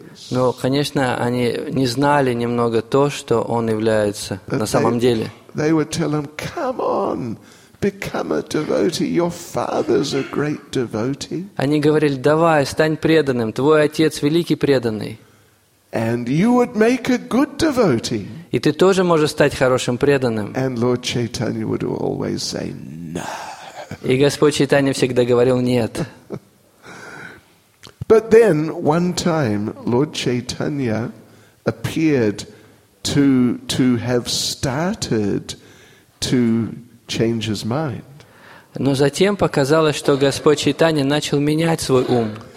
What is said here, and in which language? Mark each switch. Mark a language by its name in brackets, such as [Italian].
[Russian] Но, конечно, они не знали немного то, что он является на самом деле. [English] They would tell him, "Come on, become a devotee. Your father's a great devotee." [Russian] Они говорили: "Давай, стань преданным. Твой отец великий преданный." [English] And you would make a good devotee. [Russian] И ты тоже можешь стать хорошим преданным. [English] And Lord Chaitanya would always say no. [Russian] И Господь Чайтанья всегда говорил нет. [English] But then one time Lord Chaitanya appeared to have started to change his mind. [Russian] Но затем показалось, что Господь Чайтанья начал менять свой ум.